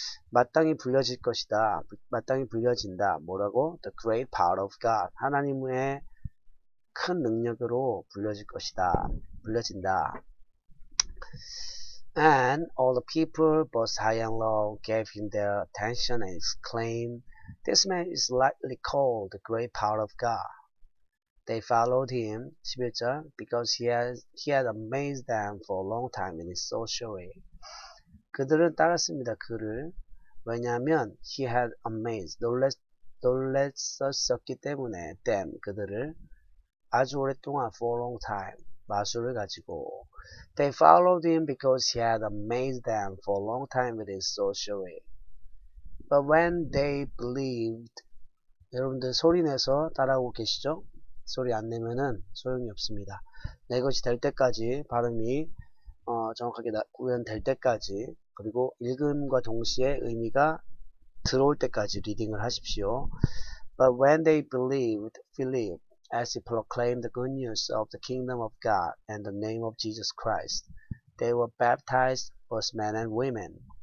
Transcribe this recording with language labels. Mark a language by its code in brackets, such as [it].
[ko] 마땅히 불려질 것이다, 마땅히 불려진다. 뭐라고? [en] The great power of God. [ko] 하나님의 큰 능력으로 불려질 것이다, 불려진다. [en] And all the people, both high and low, gave him their attention and exclaimed, This man is rightly called the great power of God. They followed him, 11절, because he had amazed them for a long time in his sorcery. [ko] 그들은 따랐습니다, 그를. 왜냐하면, [en] he had amazed, [ko] 놀랐었었기 때문에, [en] them, [ko] 그들을. 아주 오랫동안, [en] for a long time, [ko] 마술을 가지고, [en] They followed him because he had amazed them for a long time with his sorcery. But when they believed, [ko] 여러분들 소리 내서 따라하고 계시죠? 소리 안 내면은 소용이 없습니다. 내 것이 될 때까지, 발음이, 정확하게 구현될 때까지, 그리고 읽음과 동시에 의미가 들어올 때까지 리딩을 하십시오. [en] But when they believed Philip, As he proclaimed the good news of the kingdom of God and the name of Jesus Christ, they were baptized both men and women.